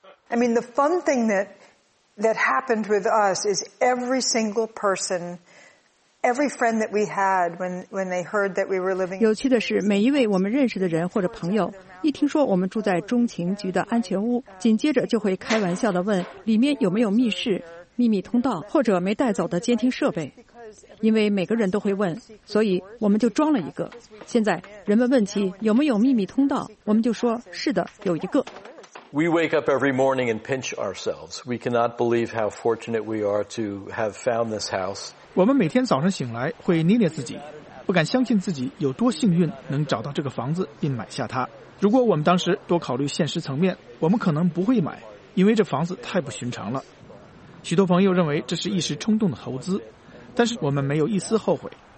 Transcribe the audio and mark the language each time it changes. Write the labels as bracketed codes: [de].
[en] I mean the fun thing that happened with us is every single person, every friend that we had when they heard that we were living. [zh] 有趣的是，每一位我们认识的人或者朋友，一听说我们住在中情局的安全屋，紧接着就会开玩笑地问里面有没有密室、秘密通道或者没带走的监听设备。因为每个人都会问，所以我们就装了一个。现在人们问起有没有秘密通道，我们就说是的，有一个。 [en] We wake up every morning and pinch ourselves. We cannot believe how fortunate we are to have found this house. [zh] 我们每天早上醒来会捏捏自己，不敢相信自己有多幸运能找到这个房子并买下它。如果我们当时多考虑现实层面，我们可能不会买，因为这房子太不寻常了。许多朋友认为这是一时冲动的投资，但是我们没有一丝后悔。